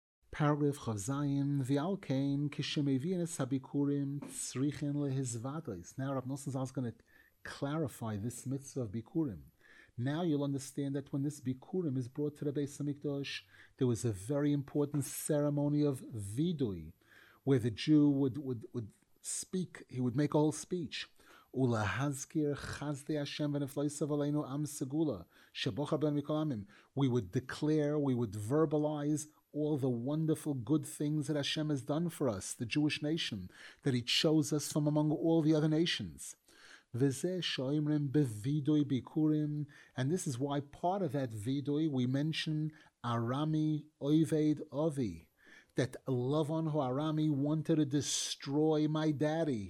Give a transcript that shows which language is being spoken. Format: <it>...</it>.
<he>פרגרף חזיים ואלקיין, כשמביאים את הביקורים צריכים להזוודות.</he> <en>Now, Rav Nosson Zalman is going to clarify this mitzvah of ביקורים. Now you'll understand that when this ביקורים is brought to the Beis HaMikdosh, there was a very important ceremony of vidui, where the Jew would speak, he would make a whole speech.</en> <he>ולהזכיר חסדי השם ונפלאותיו עלינו עם סגולה, שבוחר בנו מכל העמים.</he> <en>We would declare, we would verbalize all the wonderful good things that Hashem has done for us, the Jewish nation, that he chose us from among all the other nations.</en> <he>וזה שאומרים בוידוי ביקורים,</he> <en>and this is why part of that וידוי we mention Arami Oved Ovi, that Lavan Ha'arami wanted to destroy my daddy.</en>